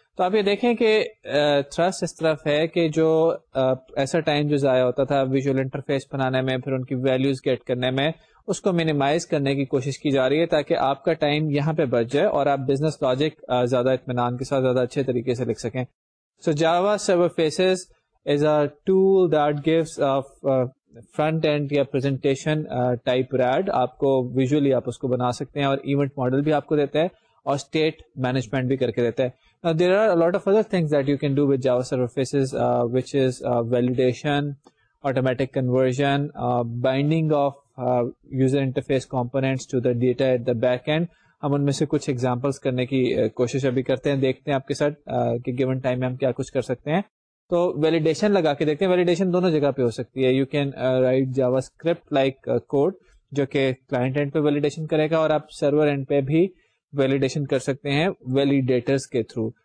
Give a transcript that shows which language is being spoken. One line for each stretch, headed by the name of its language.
Urdu: تو آپ یہ دیکھیں کہ تھرسٹ اس طرف ہے کہ جو ایسا ٹائم جو ضائع ہوتا تھا ویژول انٹرفیس بنانے میں, پھر ان کی ویلیوز گیٹ کرنے میں, اس کو مینیمائز کرنے کی کوشش کی جا رہی ہے تاکہ آپ کا ٹائم یہاں پہ بچ جائے اور آپ بزنس لاجک زیادہ اطمینان کے ساتھ زیادہ اچھے طریقے سے لکھ سکیں.
English: So Java Server Faces is a tool that gives front end یا presentation type read.
Urdu: آپ کو ویژولی آپ اس کو بنا سکتے ہیں اور ایونٹ ماڈل بھی آپ کو دیتے ہیں اور اسٹیٹ مینجمنٹ بھی کر کے دیتے ہیں.
English: There are a lot of other things that you can do with Java Server Faces which is validation, automatic conversion, binding of user interface components to the data at the back end.
Urdu: ہم ان میں سے کچھ examples کرنے کی کوشش ابھی کرتے ہیں, دیکھتے ہیں آپ کے ساتھ کہ گیون ٹائم میں ہم کیا کچھ کر سکتے ہیں. تو ویلیڈیشن لگا کے دیکھتے ہیں. ویلیڈیشن دونوں جگہ پہ ہو سکتی ہے.
English: you can write JavaScript like code
Urdu: جو کہ کلائنٹ اینڈ پہ ویلیڈیشن کرے گا اور آپ سرور اینڈ پہ بھی ویلیڈیشن کر سکتے ہیں ویلیڈیٹرز کے تھرو.